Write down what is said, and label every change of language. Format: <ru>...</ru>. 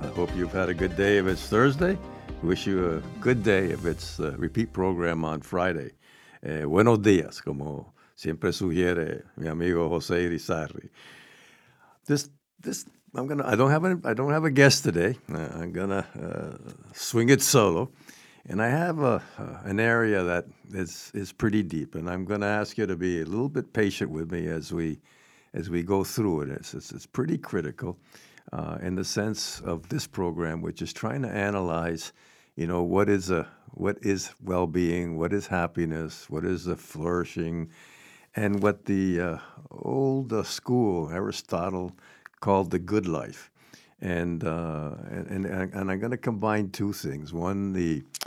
<en>I hope you've had a good day if it's Thursday. Wish you a good day if it's the repeat program on Friday.</en> <es>Buenos dias, como siempre sugiere mi amigo José Irizarry.</es> <en>I don't have a guest today. I'm gonna swing it solo, and I have an area that is pretty deep, and I'm gonna ask you to be a little bit patient with me as we go through it. It's pretty critical in the sense of this program, which is trying to analyze, you know, what is well-being, what is happiness, what is the flourishing, and what the old school Aristotle called the good life, and I'm going to combine two things: one, the</en>